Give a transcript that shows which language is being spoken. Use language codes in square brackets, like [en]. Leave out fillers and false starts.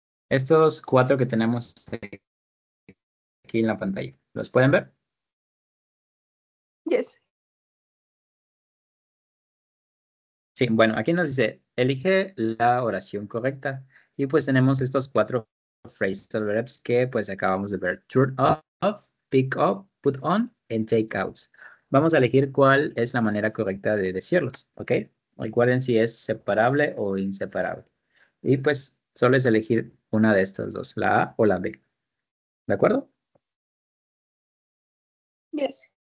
[es] Estos cuatro que tenemos aquí en la pantalla, ¿los pueden ver? [en] Yes. [es] Sí, bueno, aquí nos dice, elige la oración correcta. Y pues tenemos estos cuatro phrasal verbs que pues acabamos de ver. [en] Turn off, pick up, put on, and take out. [es] Vamos a elegir cuál es la manera correcta de decirlos, ¿ok? Recuerden si es separable o inseparable. Y pues solo es elegir una de estas dos, la A o la B. ¿De acuerdo? [en] Yes.